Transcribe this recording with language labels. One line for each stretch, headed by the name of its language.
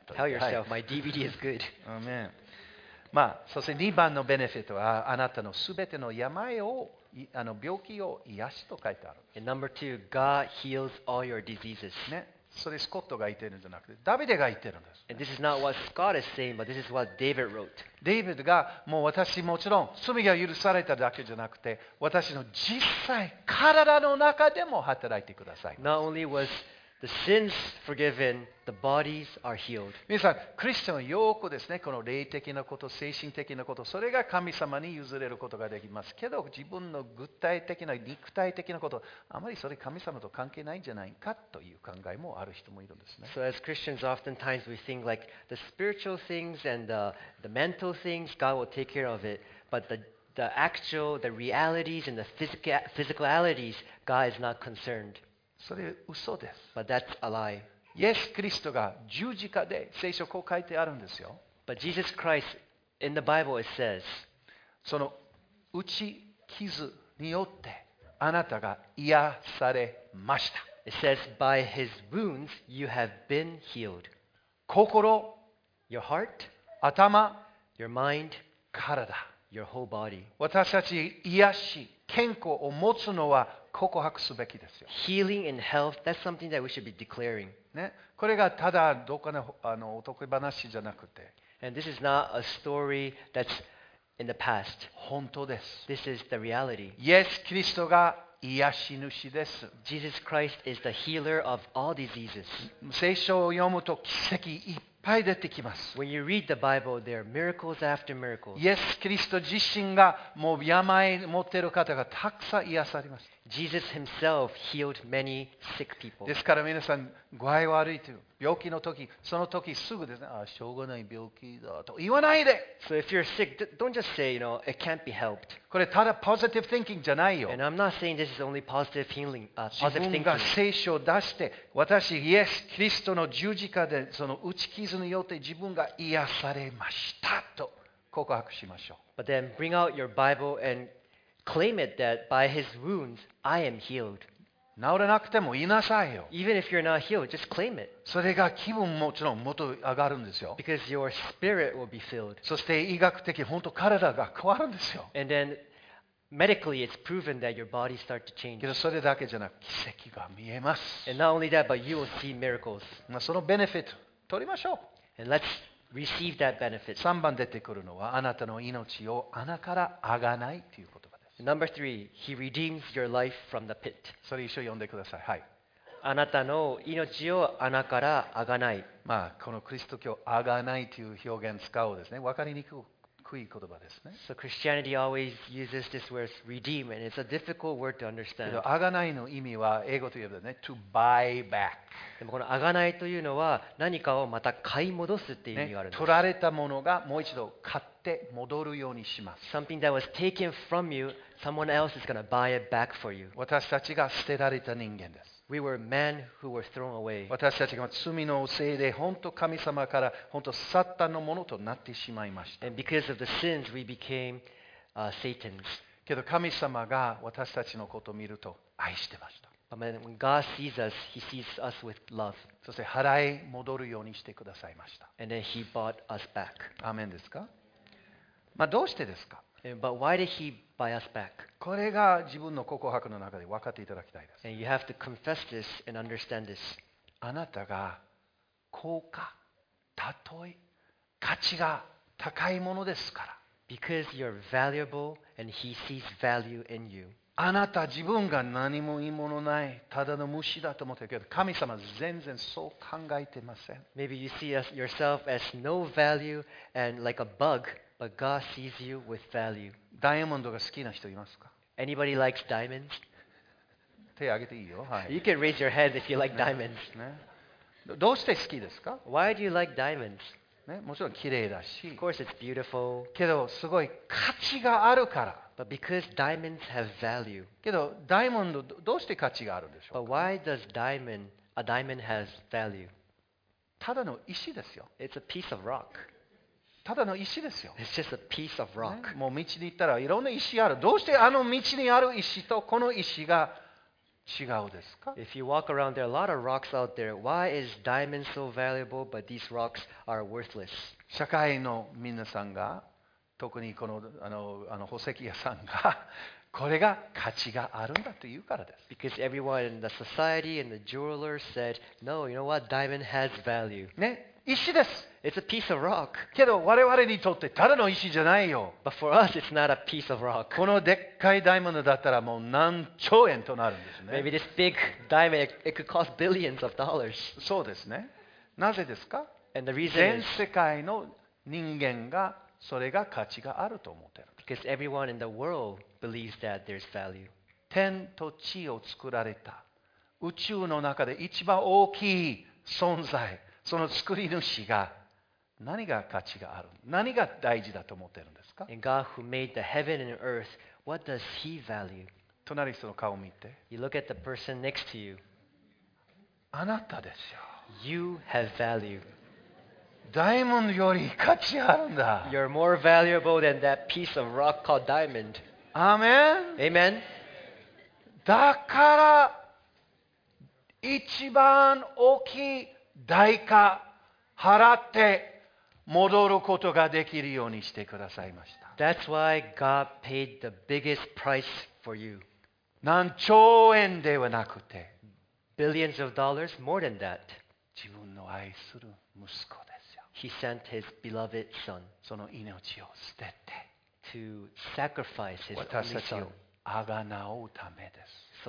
English: Tell yourself, my DVD is good. Amen.
Japanese: まあ、そして2番のベネフィットは、あなたのすべての病を、あの病気を癒しと書いてある。
English: And number two, God heals all your diseases.、
Japanese: ね、それスコットが言ってるんじゃなくて、ダビデが言ってるんです。
English: And this is not what Scott is saying, but this is what David wrote.
Japanese: デイビッドがもう私もちろん罪が許されただけじゃなくて私の実際体の中でも働いてください。
English: Not only was the sins forgiven, the bodies are healed.
Japanese: 皆さん、クリスチャンはよくですね、この霊的なこと、精神的なこと、それが神様に譲れることができますけど、自分の具体的な、肉体的なこと、あまりそれ神様と関係ないんじゃないかという考えもある人もいるんですね。
English: So as Christians, oftentimes we think like the spiritual things and the mental things, God will take care of it, but the actual, the realities and the physicalities, God is not concerned.
Japanese: それ嘘です。
English: But that's a lie.
Japanese: イエス・クリストが十字架で聖書こう書いてあるんですよ。
English: But Jesus Christ, in the Bible it says,
Japanese: その打ち傷によってあなたが癒されました。
English: It says, by his wounds you have been healed.
Japanese: 心
English: your heart,
Japanese: 頭
English: your mind,
Japanese: 体
English: your whole body.
Japanese: 私たち癒し、健康を持つのは告白すべきですよ。
English: Healing and health, that's something that we should be declaring.
Japanese: ね、これがただどこかのあのお得意話じゃなくて。
English: And this is not a story that's in the past.
Japanese: 本当です。
English: This is the reality.
Japanese: Yes, キリストが癒し主です。
English: Jesus Christ is the healer of all diseases.
Japanese: 聖書を読むと奇跡いっぱい出てきます。
English: When you read the Bible, there are miracles after miracles.
Japanese: Yes, キリスト自身がもう病を持っている方がたくさん癒されます。
English: Jesus himself healed many sick people.
Japanese: ですから皆さん具合悪いという病気の時その時すぐですね、ああしょうがない病気だと言わないで。
English: So if you're sick, don't just say, you know, it can't be helped.
Japanese: これただ
English: positive thinking
Japanese: じゃないよ。
English: And I'm not saying this is only positive healing, positive thinking.
Japanese: 自分が聖書を出して、私イエス・キリストの十字架でその打ち傷によって自分が癒されましたと告白しましょう。
English: But then bring out your Bible and claim it that by his wounds I am healed.
Japanese: 治らなくても言いなさいよ。
English: Even if you're not healed, just claim it.
Japanese: それが気分ももちろんもっと上がるんですよ。
English: Because your spirit will be filled.
Japanese: そして医学的本当体が変わるんですよ。
English: And then Medically, it's proven that your body starts to change.
Japanese: けどそれだけじゃなく奇跡が見えます。
English: And not only that, but you will see miracles.
Japanese: まあそのベネフィット取りましょう。
English: And let's receive that benefit.
Japanese: 三番出てくるのはあなたの命を穴からあがないという言葉です。
English: Number three, He redeems your life from the pit.
Japanese: それ一緒に読んでください。はい。あなたの命を穴からあがない。まあこのキリスト教あがないという表現を使うですね。わかりにくい。いい言葉ですね。
English: So Christianity always uses this word redeem, and it's a difficult word to understand.
Japanese: あがないの意味は英語と言えばね、
English: to buy back。
Japanese: でもこのあがないというのは何かをまた買い戻すっていう意味があるんです、取られたものがもう一度買って戻るようにします。
English: Something that was taken from you, someone else is going to buy it back for you.
Japanese: 私たちが捨てられた人間です。
English: We were men who were thrown away.
Japanese: 私たちが罪のせいで本当神様から本当サタンのものとなってしまいました。
English: And because of the sins, we became Satan's.
Japanese: けど神様が私たちのことを見ると愛してました。
English: But when God sees us, He sees us with love.
Japanese: そして払い戻るようにしてくださいました。
English: And then He bought us back.
Japanese: アーメンですか？まあ、どうしてですか？
English: But why did He buy us back?
Japanese: これが自分の告白の中で分かっていただきたいです。
English: And you have to confess this and understand this.
Japanese: あなたが高価、たとえ価値が高いものですから。
English: Because you're valuable and He sees value in you.
Japanese: あなた自分が何もいいものない、ただの虫だと思ってるけど、神様全然そう考えてません。
English: Maybe you see yourself as no value and like a bug. But God sees you with value.
Japanese: ダイヤモンドが好きな人いますか？
English: Anybody likes diamonds?
Japanese: 手挙げていいよ。はい。
English: You can raise your hand if you like diamonds.
Japanese: ね。どうして好きですか？
English: Why do you like diamonds?
Japanese: ね、もちろん綺麗だし。
English: Of course it's beautiful.
Japanese: けどすごい価値があるから。
English: But because diamonds have value.
Japanese: けどダイヤモンドどうして価値があるんでしょうか？
English: But why does a diamond has value?
Japanese: ただの石ですよ。
English: It's a piece of rock.
Japanese: ただの石ですよ。
English: It's just a piece of rock.
Japanese: もう道に行ったらいろんな石ある。どうしてあの道にある石とこの石が違うですか？
English: If you walk around, there are a lot of rocks out there. Why is diamond so valuable, but these rocks are worthless?
Japanese: 社会の皆さんが、特にこの、宝石屋さんが、これが価値があるんだというからです。
English: Because everyone in the society and the jeweler said, no, you know what? Diamond has value.
Japanese: ね。石です。
English: It's a piece of rock.
Japanese: けど我々にとってただの石じゃないよ。
English: But for us, it's not a piece of rock.
Japanese: このでっかいダイヤモンドだったらもう何兆円となるんですね。
English: Maybe this big diamond, it could cost billions of dollars.
Japanese: そうですね。なぜですか？
English: And the reason
Japanese: 全世界の人間がそれが価値があると思ってる。
English: Because everyone in the world believes that there's value.
Japanese: 天と地を作られた宇宙の中で一番大きい存在。その作り主が何が価値がある？何が大事だと思っているんですか？
English: And God who made the heaven and earth, what does He value?
Japanese: 隣の人の顔を見て。
English: You look at the person next to you.
Japanese: あなたですよ。
English: You have value.
Japanese: ダイヤモンドより価値あるんだ。
English: You're more valuable than that piece of rock called diamond. Amen. Amen.
Japanese: だから一番大きい代価払って戻ることができるようにしてくださいました。
English: That's why God paid the biggest price for you.
Japanese: 何兆円ではなくて、
English: billions of dollars, more than that.
Japanese: 自分の愛する息子ですよ。
English: He sent his beloved son.
Japanese: その命を捨てて、
English: to sacrifice his only son.
Japanese: 私たちをあがなおうためです。